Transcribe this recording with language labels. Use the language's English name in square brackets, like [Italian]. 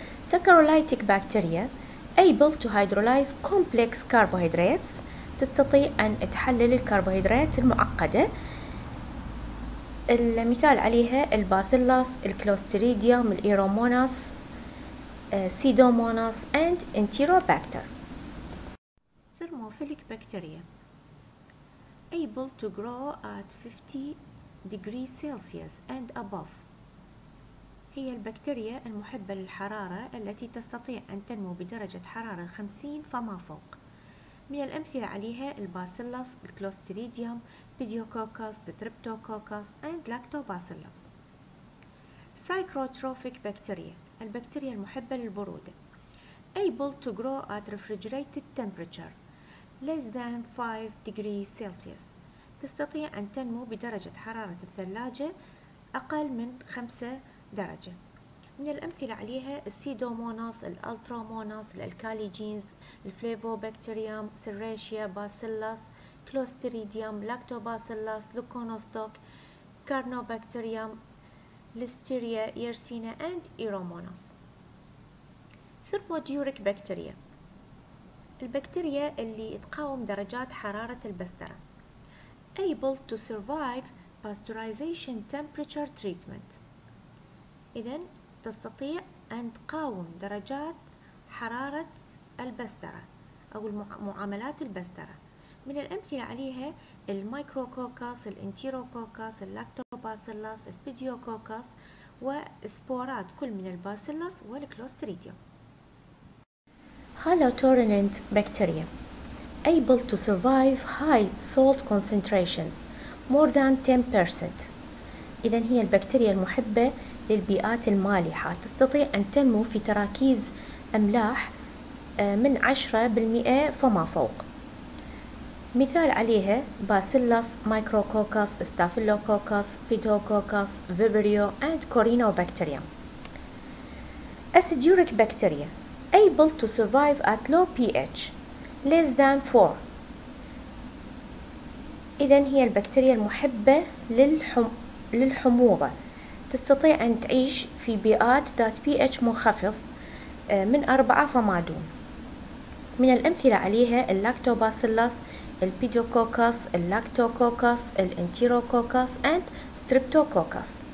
[English] Saccharolytic bacteria able to hydrolyze complex carbohydrates. [Arabic] تستطيع أن تحلل الكربوهيدرات المعقدة. المثال عليها الباسيلاس، الكلوستريديوم، الإيروموناس، سيدوموناس and انتيروباكتر. [English] Thermophilic bacteria able to grow at 50 degrees Celsius and above. [Arabic] هي البكتيريا المحبة للحرارة التي تستطيع أن تنمو بدرجة حرارة 50 فما فوق. من الأمثلة عليها الباسيلاس، الكلوستريديوم، بيديوكوكوس، ستريبتوكوكوس and لاكتوباسيلاس. [English] Psychrotrophic bacteria [Arabic] البكتيريا المحبة للبرودة. [English] Able to grow at refrigerated temperature less than 5 degrees Celsius. [Arabic] تستطيع أن تنمو بدرجة حرارة الثلاجة أقل من 5 درجة. من الأمثلة عليها السيدوموناس، الألتروموناس، الألكاليجينز، الفليفوبكتيريوم، سيريشيا، باسيلاس، كلوستريديوم، لاكتوباسيلاس، لوكونوستوك، كارنوبكتيريوم، ليستيريا، يرسينا and إيروموناس. [English] Thermoduric bacteria [Arabic] البكتيريا اللي تقاوم درجات حرارة البسترة. [English] Able to survive pasteurization temperature treatment. [Arabic] إذن تستطيع أن تقاوم درجات حرارة البسترة أو معاملات البسترة. من الأمثلة عليها الميكروكوكوس، الانتيروكوكوس، اللاكتوباسيلاس، البيديوكوكوس وسبورات كل من الباسيلاس والكلوستريديوم. [English] Halotolerant bacteria able to survive high salt concentrations more than 10%. [Arabic] إذا هي البكتيريا المحبة للبيئات المالحة، تستطيع أن تنمو في تراكيز أملاح من 10% فما فوق. مثال عليها باسيلاس، ميكروكوكوس، ستافيلوكوكوس، بيتوكوكوس، فيبريو and كورينوبكتيريوم. [English] Aciduric bacteria able to survive at low pH less than 4. [Arabic] إذن هي البكتيريا المحبة للحموضة، تستطيع أن تعيش في بيئات ذات pH مخفض من 4 فما دون. من الأمثلة عليها اللاكتوباسيلاس، البيديوكوكوس، اللاكتوكوكوس، الانتيروكوكوس and ستريبتوكوكوس.